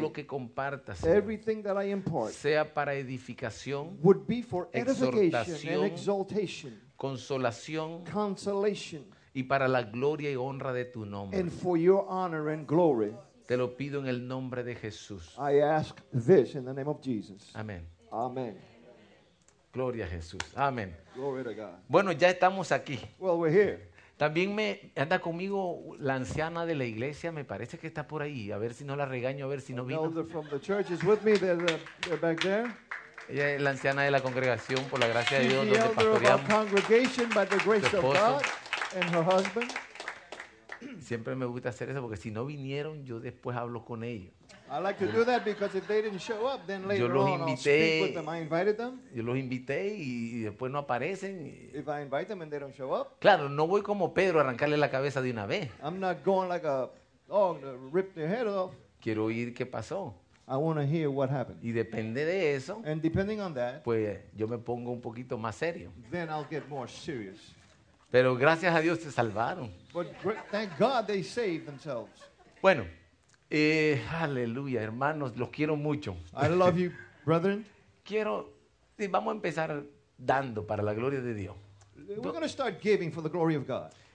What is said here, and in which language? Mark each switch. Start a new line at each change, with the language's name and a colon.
Spanish: lo que comparta, Señor,
English: everything that I impart,
Spanish: sea para edificación,
English: would be for edification and exaltation,
Spanish: consolación,
English: consolation,
Spanish: y para la gloria y honra de tu nombre,
English: and for your honor and glory.
Spanish: Te lo pido en el nombre de Jesús.
English: I ask this in the name of Jesus.
Spanish: Amén.
English: Amén.
Spanish: Gloria a Jesús. Amén.
English: Glory to God.
Spanish: Bueno, ya estamos aquí.
English: Well, we're here.
Spanish: También me anda conmigo la anciana de la iglesia, me parece que está por ahí, a ver si no la regaño, a ver si no vino.
English: Elder from the church is with me, they're back there.
Spanish: Ella es la anciana de la congregación, por la gracia
English: she's
Spanish: de Dios, donde pastoreamos.
English: Congregation by the grace of God and her husband.
Spanish: Siempre me gusta hacer eso porque si no vinieron, yo después hablo con ellos.
English: I like to do that because if they didn't show up, then later on
Spanish: invité,
English: I'll speak with them. I invited them.
Spanish: Yo los invité y después no aparecen.
English: If I invite them and they don't show up.
Spanish: Claro, no voy como Pedro a arrancarle la cabeza de una vez.
English: I'm not going like a dog to rip their head off.
Spanish: Quiero oír qué pasó.
English: I want to hear what happened.
Spanish: Y depende de eso.
English: And depending on that.
Spanish: Pues yo me pongo un poquito más serio.
English: Then I'll get more serious.
Spanish: Pero gracias a Dios se salvaron.
English: But thank God they saved themselves.
Spanish: Bueno. Aleluya, hermanos, los quiero mucho.
English: I love you, brethren.
Spanish: Quiero, sí, vamos a empezar dando para la gloria de Dios.
English: We're going to start giving for the glory of God.